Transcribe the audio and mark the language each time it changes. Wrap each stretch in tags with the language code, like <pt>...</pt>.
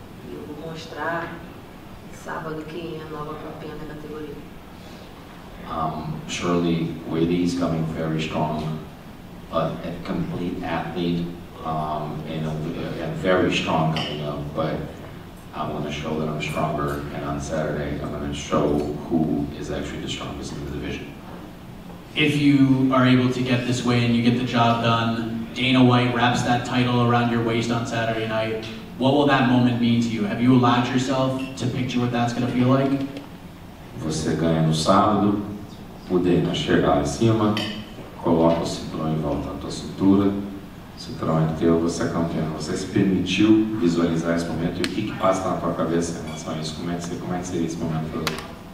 <pt>Eu vou mostrar sábado quem é a nova campeã da categoria.</pt> <en>Surely, Weili is coming very strong, but a complete athlete. And very strong coming up, but I want to show that I'm stronger, and on Saturday I'm going to show who is actually the strongest in the division. If you are able to get this win, you get the job done, Dana White wraps that title around your waist on Saturday night, what will that moment mean to you? Have you allowed yourself to picture what that's going to feel like?</en> <pt>Você ganha no sábado, o Dana chega lá em cima, coloca o cinturão em volta da tua cintura. Cinturão é teu, você é campeão. Você se permitiu visualizar esse momento e o que passa na tua cabeça em relação a isso? Como é que seria esse momento para você?</pt>